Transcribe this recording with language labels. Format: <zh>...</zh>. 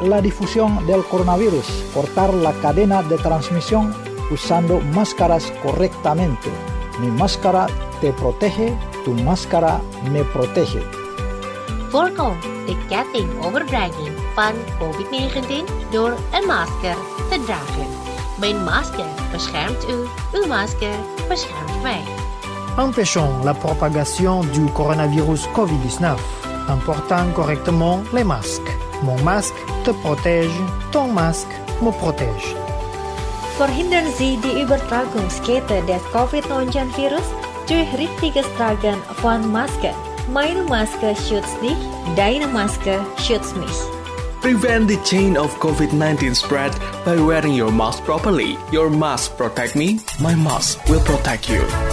<es>la difusión del coronavirus. Cortar la cadena de transmisión usando máscaras correctamente. Mi máscara te protege, tu máscara me protege.</es> <nl>Voorkom de ketting overbrenging van COVID-19 door een masker te dragen. Mijn masker beschermt u, uw masker beschermt mij.</nl> <fr>Empêchons la propagation du coronavirus COVID-19 en portant correctement les masques. Mon masque te protège, ton masque me protège.</fr> <de>Verhindern Sie die Übertragungskette des COVID-19 Virus durch richtiges Tragen von Maske. Meine Maske schützt dich, deine Maske schützt mich.</de> <en>Prevent the chain of COVID-19 spread by wearing your mask properly. Your mask protect me, my mask will protect you.</en>